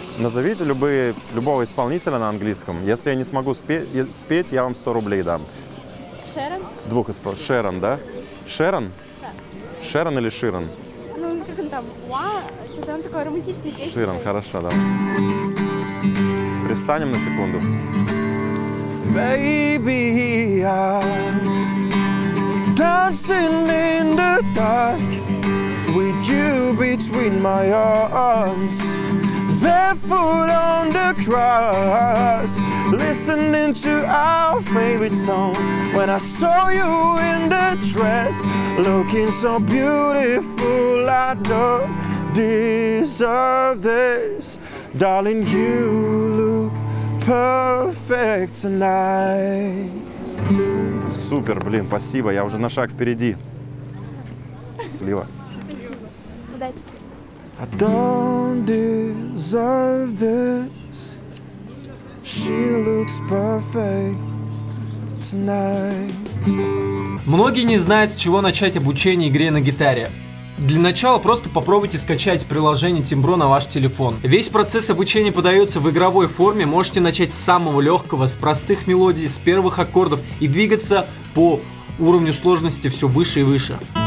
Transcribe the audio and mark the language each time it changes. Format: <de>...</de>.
<ru>Назовите любого исполнителя на английском. Если я не смогу спеть, я вам 100 рублей дам. Шерон? Двух исполнителей. Шерон, да? Шерон? Да. Шерон или Широн? Ну, как он там? Вау, что-то он такой романтичный песня. Широн, хорошо, да. Пристанем на секунду.</ru> <en>Baby, I'm dancing in the dark. With you between my arms, barefoot on the grass, listening to our favorite song. When I saw you in the dress, looking so beautiful, I don't deserve this. Darling, you look perfect tonight.</en> <ru>Супер, блин, спасибо, я уже на шаг впереди. Счастливо. Спасибо. отдать.</ru> <en>I don't deserve this. She looks perfect tonight.</en> <ru>Многие не знают, с чего начать обучение игре на гитаре. Для начала просто попробуйте скачать приложение Тимбро на ваш телефон. Весь процесс обучения подается в игровой форме. Можете начать с самого легкого, с простых мелодий, с первых аккордов и двигаться по уровню сложности все выше и выше.</ru>